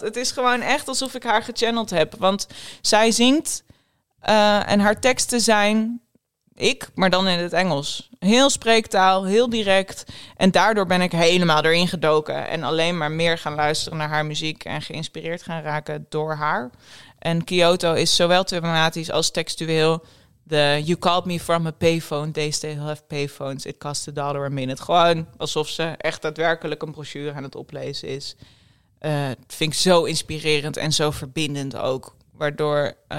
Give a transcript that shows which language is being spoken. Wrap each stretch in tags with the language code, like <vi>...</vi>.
<nl>Het is gewoon echt alsof ik haar gechanneld heb. Want zij zingt... En haar teksten zijn ik, maar dan in het Engels. Heel spreektaal, heel direct. En daardoor ben ik helemaal erin gedoken. En alleen maar meer gaan luisteren naar haar muziek. En geïnspireerd gaan raken door haar. En Kyoto is zowel thematisch als textueel.</nl> <en>De you called me from a payphone. They still have payphones. It cost $1 a minute.</en> <nl>Gewoon alsof ze echt daadwerkelijk een brochure aan het oplezen is. Vind ik zo inspirerend en zo verbindend ook. Waardoor...</nl>